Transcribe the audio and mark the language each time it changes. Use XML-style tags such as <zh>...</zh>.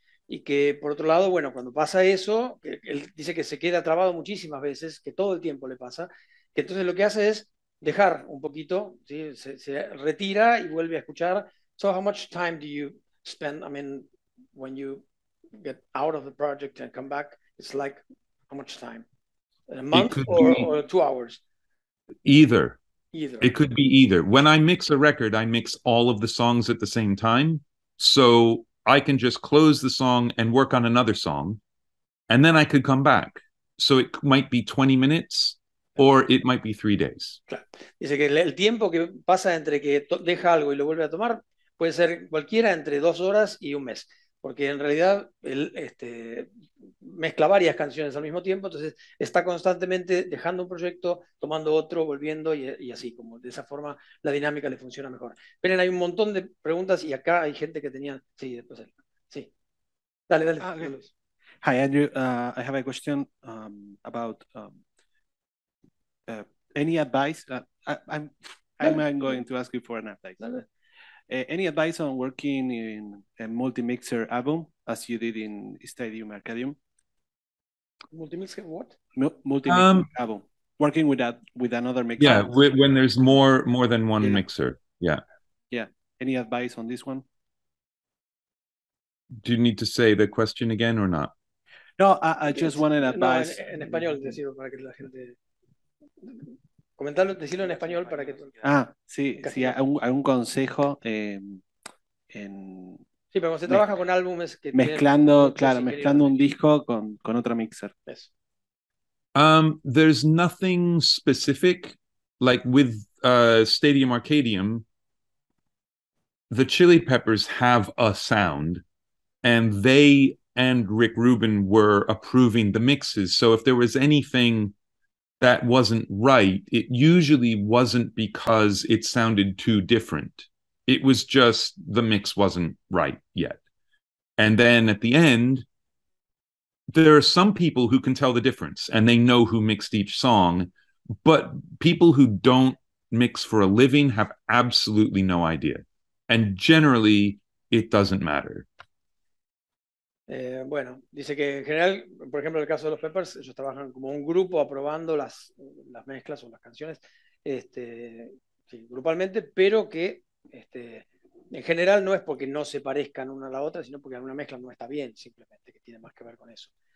<es>Y que, por otro lado, bueno, cuando pasa eso, él dice que se queda trabado muchísimas veces, que todo el tiempo le pasa, que entonces lo que hace es dejar un poquito, ¿sí? Se retira y vuelve a escuchar.</es> <en>So how much time do you spend, I mean, when you get out of the project and come back, it's like how much time? A month or 2 hours? Either. Either. It could be either. When I mix a record, I mix all of the songs at the same time. So I can just close the song and work on another song, and then I could come back. So it might be 20 minutes, or it might be 3 days.</en> <es>Claro. Dice que el tiempo que pasa entre que deja algo y lo vuelve a tomar puede ser cualquiera entre 2 horas y un mes, porque en realidad él mezcla varias canciones al mismo tiempo, entonces está constantemente dejando un proyecto, tomando otro, volviendo y así, como de esa forma la dinámica le funciona mejor. Pero hay un montón de preguntas y acá hay gente que tenía... Sí, después él. Sí. Dale, dale.</es> <en>Hi, Andrew. I have a question about any advice. I'm going to ask you for an advice.</en> <es>Dale.</es> <en>Any advice on working in a multi-mixer album as you did in Stadium Arcadium? Multi-mixer what? Multi-mixer album. Working with another mixer. Yeah, when there's more than one mixer. Yeah. Yeah. Any advice on this one? Do you need to say the question again or not? No, I just wanted advice.</en> <es>No, en español, decirlo para que la gente... Comentarlo, decirlo en español para que... Sí, algún consejo en... Sí, pero cuando se trabaja con álbumes... Que mezclando, claro, mezclando un disco con otro mixer. Eso.</es> <en>There's nothing specific. Like with Stadium Arcadium, the Chili Peppers have a sound and they and Rick Rubin were approving the mixes. So if there was anything that wasn't right, it usually wasn't because it sounded too different. It was just the mix wasn't right yet. And then at the end, there are some people who can tell the difference and they know who mixed each song, but people who don't mix for a living have absolutely no idea. And generally, it doesn't matter.</en> <es>Bueno, dice que en general, por ejemplo, en el caso de los Peppers, ellos trabajan como un grupo aprobando las mezclas o las canciones sí, grupalmente, pero que en general no es porque no se parezcan una a la otra, sino porque alguna mezcla no está bien, simplemente, que tiene más que ver con eso.</es>